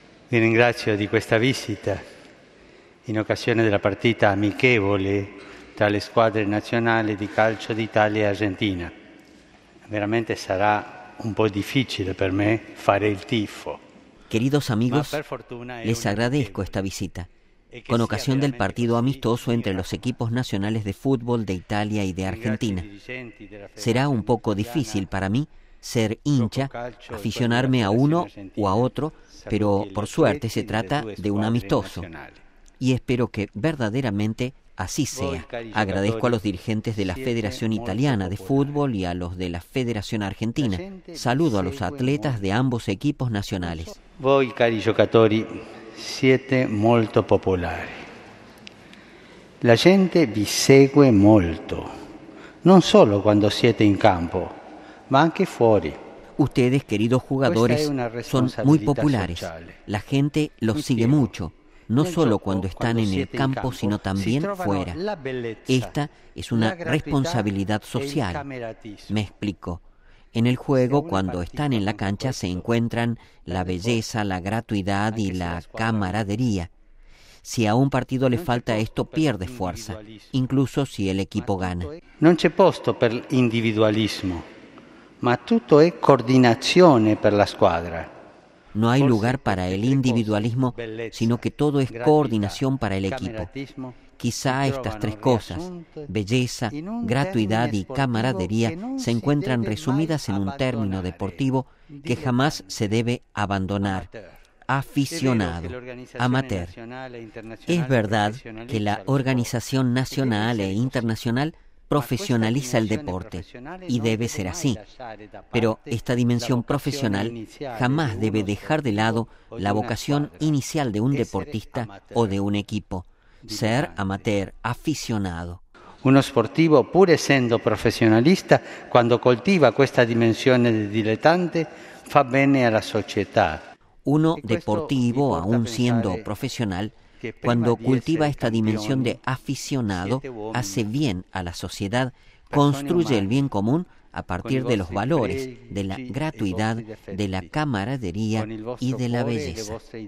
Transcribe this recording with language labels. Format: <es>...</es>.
<it>Vi ringrazio di questa visita in occasione della partita amichevole tra le squadre nazionali di calcio d'Italia e Argentina. Veramente sarà un po' difficile per me fare il tifo.</it> <es>Queridos amigos,</es> <it>ma per fortuna</it> <es>les agradezco</es> <it>questa visita.</it> <es>Con ocasión del partido amistoso entre los equipos nacionales de fútbol de Italia y de Argentina. Será un poco difícil para mí ser hincha, aficionarme a uno o a otro, pero por suerte se trata de un amistoso. Y espero que verdaderamente así sea. Agradezco a los dirigentes de la Federación Italiana de Fútbol y a los de la Federación Argentina. Saludo a los atletas de ambos equipos nacionales.</es> <it>Voy, cari giocatori. Siete molto popolari. La gente vi segue molto, non solo quando siete in campo, ma anche fuori.</it> <es>Ustedes, queridos jugadores, son muy populares. La gente los sigue mucho, no solo cuando están en el campo, sino también fuera. Esta es una responsabilidad social. Me explico. En el juego, cuando están en la cancha, se encuentran la belleza, la gratuidad y la camaradería. Si a un partido le falta esto, pierde fuerza, incluso si el equipo gana.</es> <it>No c'è posto per individualismo, ma tutto è coordinazione per la squadra.</it> <es>No hay lugar para el individualismo, sino que todo es coordinación para el equipo. Quizá estas tres cosas, belleza, gratuidad y camaradería, se encuentran resumidas en un término deportivo que jamás se debe abandonar: aficionado, amateur. Es verdad que la organización nacional e internacional profesionaliza el deporte, y debe ser así. Pero esta dimensión profesional jamás debe dejar de lado la vocación inicial de un deportista o de un equipo: ser amateur, aficionado.</es> <it>Uno sportivo, pur essendo professionista, quando coltiva questa dimensione di dilettante, fa bene alla società.</it> <es>Uno deportivo, aun siendo profesional, cuando cultiva esta dimensión de aficionado, hace bien a la sociedad, construye el bien común a partir de los valores, de la gratuidad, de la camaradería y de la belleza.</es>